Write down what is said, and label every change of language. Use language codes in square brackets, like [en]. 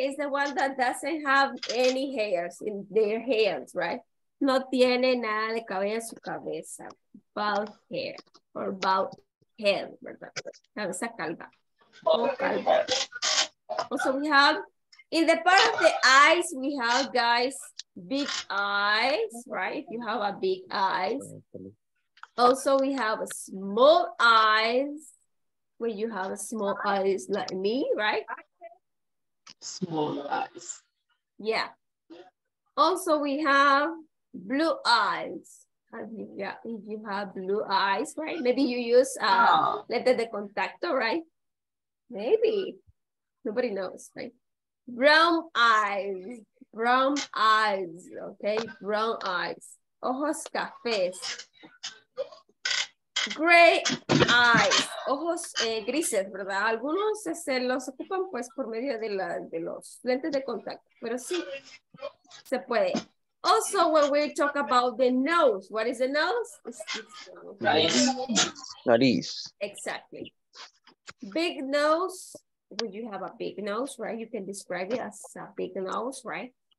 [en] Is the one that doesn't have any hairs in their hands, right? [es] No tiene nada de cabello en su cabeza. [en] Bald hair. Or bald head, [es] ¿verdad? Cabeza calva. [en] Also, we have, in the part of the eyes, we have, guys, big eyes, right? You have a big eyes. Also, we have a small eyes. When you have a small eyes like me, right? Small eyes. Yeah. Also, we have blue eyes. Yeah, if you have blue eyes, right? Maybe you use letter [es] de contacto, [en] right? Maybe. Nobody knows, right? Brown eyes, okay? Brown eyes. [es] Ojos cafés. [en] Gray eyes, [es] ojos grises, ¿verdad? Algunos se los ocupan pues por medio de, la, de los lentes de contacto, pero sí, se puede. [en] Also, when we talk about the nose, what is the nose? It's [es] nariz. [en] Exactly. Big nose, when you have a big nose, right? You can describe it as a big nose, right?